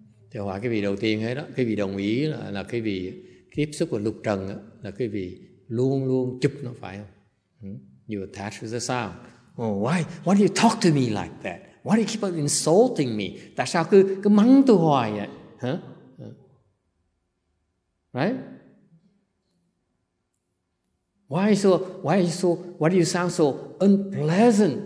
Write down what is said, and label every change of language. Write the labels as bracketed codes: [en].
[vi] Thì hỏi cái vị đầu tiên hết đó, cái vị đồng ý là cái vị tiếp xúc vào lục trần đó, là cái vị luôn luôn chụp nó phải không? [en] You attach to the sound. Oh, why do you talk to me like that? Why do you keep on insulting me? [vi] Tại sao cứ mắng tôi hoài vậy? Huh? [en] Right? Why do you sound so unpleasant?